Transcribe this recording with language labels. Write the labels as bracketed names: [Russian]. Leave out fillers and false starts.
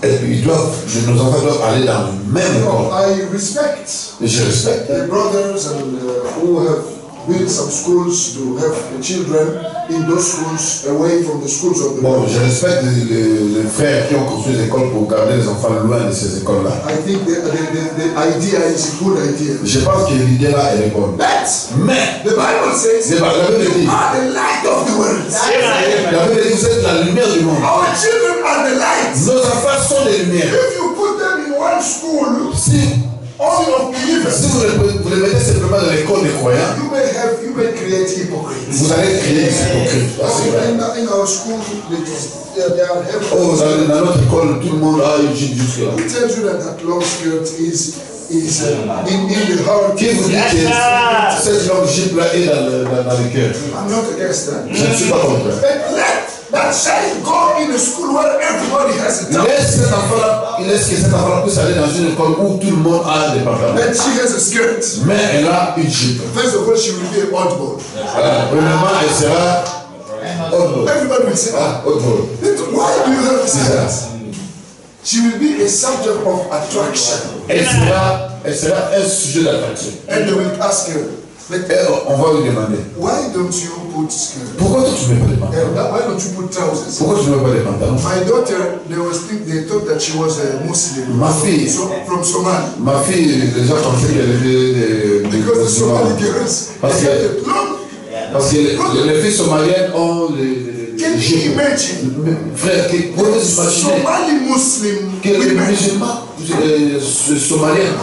[French] Et ils doivent, nos enfants doivent aller dans le même école. [English] I respect. [French] Et je respecte. [English] The brothers and who have built some schools to have the children in those schools away from the schools of the. [French] Bon, je respecte les frères qui ont construit des écoles pour garder les enfants loin de ces écoles-là. [English] I think the idea is a good idea. [French] Je pense que l'idée là est bonne. [English] But the Bible says. [French] Le Bible dit. [English] You are the light of the world. [French] La Bible dit vous êtes la lumière du monde. [English] Our children are the light. [French] Nos enfants sont les lumières. [English] If you put them in one school. [French] Si. [English] All of believers. [French] Si vous les mettez simplement dans l'école des croyants. [English] You may create hypocrites. [French] Vous allez créer des hypocrites. [English] In our school, they are [French] dans notre école, tout le monde a une jupe jusque-là. [English] Who tells you that long skirt is in the heart? [French] Qui vous dit que cette longue jupe là est dans le cœur? [English] I'm not against that. [French] Je ne suis pas contre. [English] That child go in a school where everybody has a tongue. [French] Laisse que cette enfant puisse aller dans une école où tout le monde a des pantalons. [English] But she has a skirt. [French] Mais elle a une jupe. [English] First of all, she will be an oddball. [French] Premièrement, elle sera oddball. [English] Everybody will say, oddball. Why do you have to say that? She will be a subject of attraction. [French] Elle sera un sujet d'attraction. [English] And they will ask her. [French] On va lui demander. [English] Why don't you put? [French] Pourquoi tu ne mets pas des [English] pantalons? Why don't you put trousers? [French] Pourquoi tu ne mets pas des pantalons? [English] My daughter, they thought that she was a Muslim. [French] Ma fille. [English] From Somalia. [French] Ma fille, les gens pensaient qu'elle était des. [English] Because the Somali girls. [French] Parce que les filles somaliennes ont les. [English] Can you imagine? [French] Frère, pourquoi tu imagines? [English] Somali Muslim. [French] Que les musulmans, somaliens.